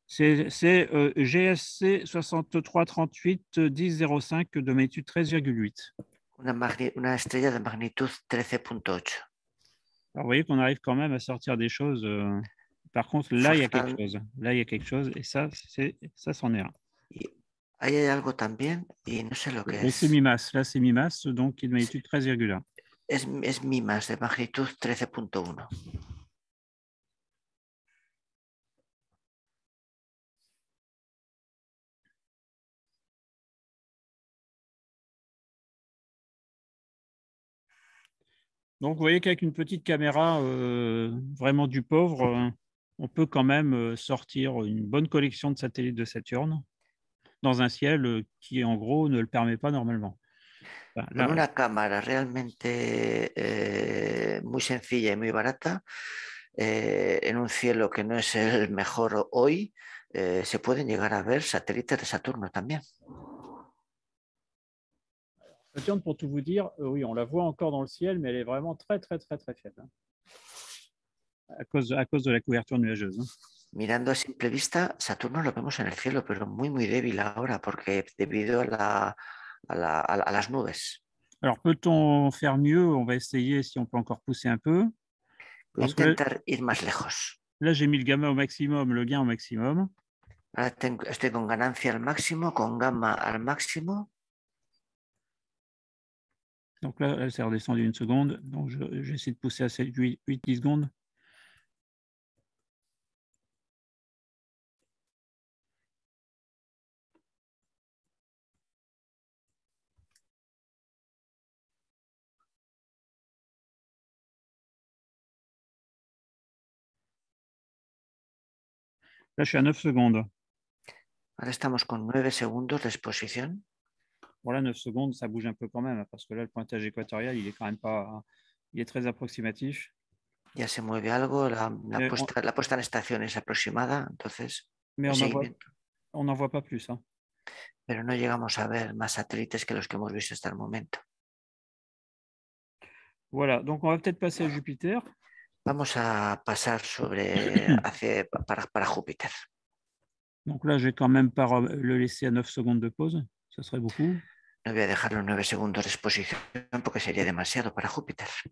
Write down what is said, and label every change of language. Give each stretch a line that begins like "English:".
French: C'est GSC 6338-1005 de magnitude 13,8.
Spanish: Una estrella de magnitud 13,8.
French: Alors, vous voyez qu'on arrive quand même à sortir des choses. Par contre, là, il y a quelque chose. Là, il y a quelque chose et ça c'en est un.
Spanish: Ahí hay algo también y no sé lo que es.
French: C'est Mimas. Là, c'est Mimas, donc qui est de magnitude 13,1.
Spanish: Es Mimas, de magnitud 13,1.
French: Donc, vous voyez qu'avec une petite caméra vraiment du pauvre, on peut quand même sortir une bonne collection de satellites de Saturne dans un ciel qui, en gros, ne le permet pas normalement. Enfin, là,
Spanish: con una cámara realmente muy sencilla y muy barata, en un cielo que no es el mejor hoy, se pueden llegar a ver satélites de Saturne también.
French: Saturne, pour tout vous dire, oui, on la voit encore dans le ciel, mais elle est vraiment très, très, très, très faible. Hein. À cause de la couverture nuageuse. Hein.
Spanish: Mirando a simple vista, Saturno lo vemos en el cielo, pero muy, muy débil ahora, porque debido a las nubes.
French: Alors, peut-on faire mieux? On va essayer si on peut encore pousser un peu.
Spanish: Voy a intentar ir más lejos.
French: Là, j'ai mis le gamma au maximum, le gain au maximum.
Spanish: Ahora estoy con ganancia al máximo, con gamma al máximo.
French: Donc là, elle s'est redescendue une seconde. Donc, j'essaie de pousser à 8-10 secondes. Là, je suis à 9 secondes.
Spanish: Ahora estamos con 9 segundos de exposición.
French: Voilà, 9 secondes, ça bouge un peu quand même, parce que là, le pointage équatorial, il est quand même pas. Il est très approximatif.
Spanish: Ya se mueve algo, la puesta en estación es aproximada, entonces,
French: Mais
Spanish: el seguimiento.
French: on n'en voit pas plus, hein.
Spanish: Pero no llegamos a ver más satélites que los que hemos visto hasta el momento.
French: Voilà, donc on va peut-être passer à Jupiter.
Spanish: Vamos a pasar sobre para Júpiter.
French: Donc là, je vais quand même pas le laisser à 9 secondes de pause, ça serait beaucoup.
Spanish: No voy a dejarlo 9 segundos de exposición porque sería demasiado para Júpiter.